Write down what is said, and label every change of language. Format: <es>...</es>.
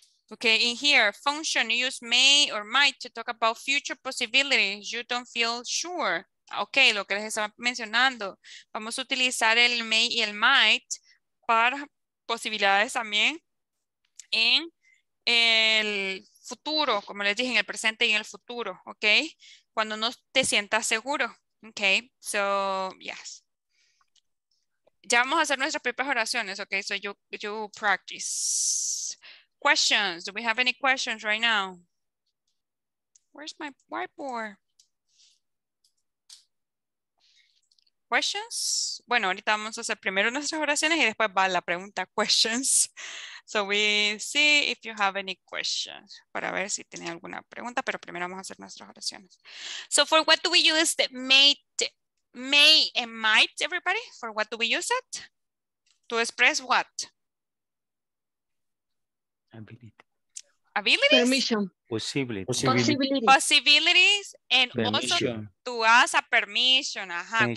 <en>Okay, in here, function, you use may or might to talk about future possibilities. You don't feel sure. Okay,</en> <es>lo que les estaba mencionando. Vamos a utilizar el may y el might para posibilidades también en el futuro, como les dije, en el presente y en el futuro, okay? Cuando no te sientas seguro, okay?</es> <en>So, yes.</en> <es>Ya vamos a hacer nuestras propias oraciones, okay?</es> <en>So you practice. Questions, do we have any questions right now? Where's my whiteboard? Questions?</en> <es>Bueno, ahorita vamos a hacer primero nuestras oraciones y después va la pregunta questions.</es> <en>So we see if you have any questions.</en> <es>Para ver si tiene alguna pregunta, pero primero vamos a hacer nuestras oraciones.</es> <en>So for what do we use the may and might, everybody? For what do we use it? To express what? Ability. Abilities? Permission. Possibilities. Possibilities and permission. Also to ask a permission. Ajá. Permission.</en>